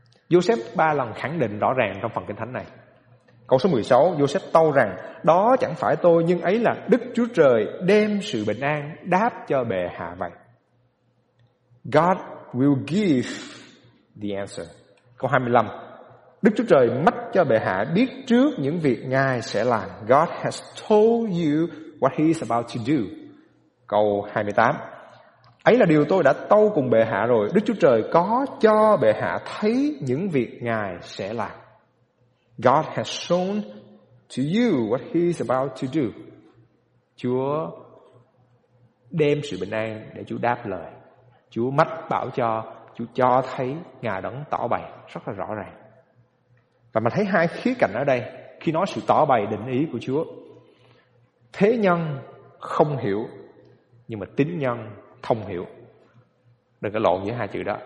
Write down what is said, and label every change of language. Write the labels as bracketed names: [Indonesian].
[Vietnamese] Joseph 3 lần khẳng định rõ ràng trong phần Kinh Thánh này. Câu số 16, Joseph tâu rằng: đó chẳng phải tôi, nhưng ấy là Đức Chúa Trời đem sự bình an đáp cho bệ hạ vậy. [English] God will give the answer. [Vietnamese] Câu 25, Đức Chúa Trời mách cho bệ hạ biết trước những việc Ngài sẽ làm. [English] God has told you what He is about to do. [Vietnamese] Câu 28, ấy là điều tôi đã tâu cùng bệ hạ rồi, Đức Chúa Trời có cho bệ hạ thấy những việc Ngài sẽ làm. [English] God has shown to you what He is about to do. [Vietnamese] Chúa đem sự bình an để Chúa đáp lời. Chúa mách bảo cho, Chúa cho thấy, Ngài đấng tỏ bày rất là rõ ràng. Và mình thấy hai khía cạnh ở đây khi nói sự tỏ bày định ý của Chúa. Thế nhân không hiểu, nhưng mà tín nhân thông hiểu. Đừng có lộn giữa hai chữ đó.